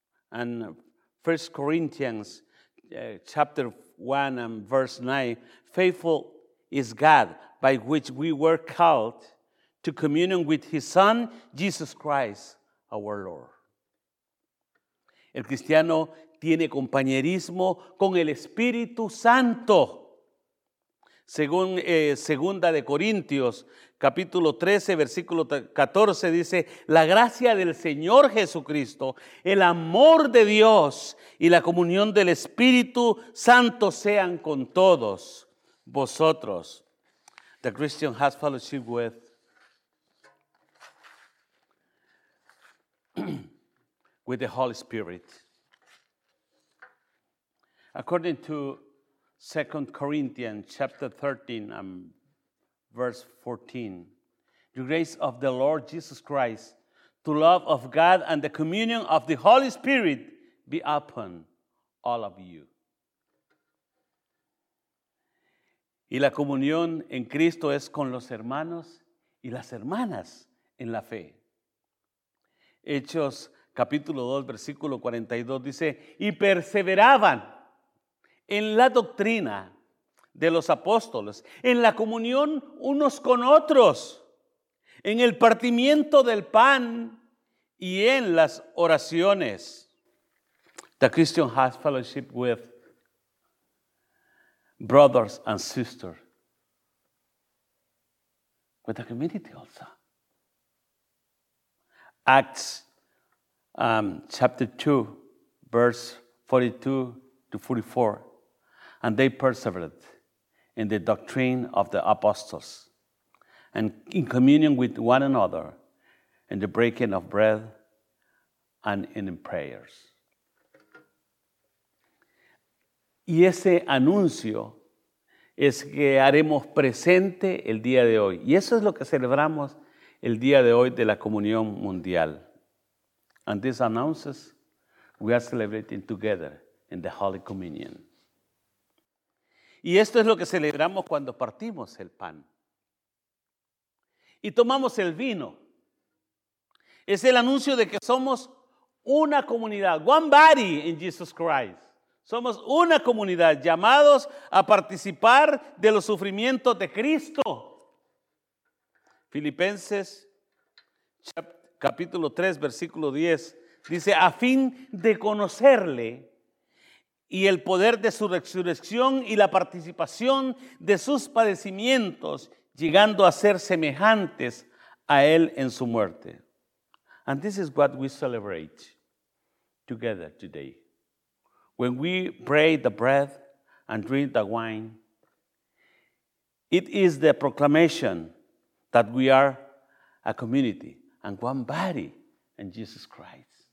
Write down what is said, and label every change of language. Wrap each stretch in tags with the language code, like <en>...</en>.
<en>And 1 Corinthians chapter 1 and verse 9, faithful is God, by which we were called to communion with his Son, Jesus Christ, our Lord.</en> <es>El cristiano tiene compañerismo con el Espíritu Santo. Según 2 de Corintios, capítulo 13, versículo 14, dice, la gracia del Señor Jesucristo, el amor de Dios y la comunión del Espíritu Santo sean con todos vosotros.</es> <en>The Christian has fellowship with with the Holy Spirit. According to 2 Corinthians chapter 13 and verse 14, the grace of the Lord Jesus Christ, the love of God and the communion of the Holy Spirit be upon all of you.</en> <es>Y la comunión en Cristo es con los hermanos y las hermanas en la fe. Hechos capítulo 2, versículo 42 dice, y perseveraban en la doctrina de los apóstoles, en la comunión unos con otros, en el partimiento del pan y en las oraciones.</es> <en>The Christian has fellowship with brothers and sisters, with the community also. Acts chapter 2, verse 42 to 44. And they persevered in the doctrine of the apostles and in communion with one another, in the breaking of bread and in prayers.</en> <es>Y ese anuncio es que haremos presente el día de hoy. Y eso es lo que celebramos el día de hoy de la comunión mundial.</es> <en>And this announces we are celebrating together in the Holy Communion.</en> <es>Y esto es lo que celebramos cuando partimos el pan. Y tomamos el vino. Es el anuncio de que somos una comunidad.</es> <en>One body in Jesus Christ.</en> <es>Somos una comunidad llamados a participar de los sufrimientos de Cristo. Filipenses capítulo 3, versículo 10. Dice, a fin de conocerle y el poder de su resurrección y la participación de sus padecimientos, llegando a ser semejantes a él en su muerte.</es> <en>And this is what we celebrate together today. When we break the bread and drink the wine, it is the proclamation that we are a community and one body in Jesus Christ.</en>